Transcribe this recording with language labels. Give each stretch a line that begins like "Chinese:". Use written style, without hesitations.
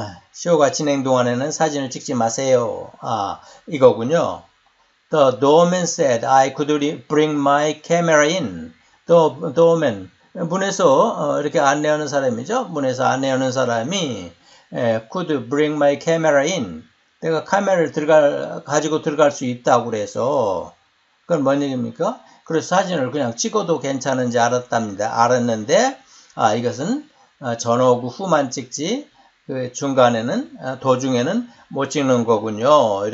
Korean: 쇼가 진행 동안에는 사진을 찍지 마세요. 아, 이거군요.
English: The doorman said I could bring my camera in. The doorman.
Korean: 문에서 이렇게 안내하는 사람이죠. 문에서 안내하는 사람이
English: could bring my camera in.
Korean: 내가 카메라를 가지고 들어갈 수 있다고 그래서 그건 뭔 얘기입니까? 그래서 사진을 그냥 찍어도 괜찮은지 알았답니다. 알았는데 아, 이것은 전화하고 후만 찍지 그 중간에는 도중에는 못 찍는 거군요.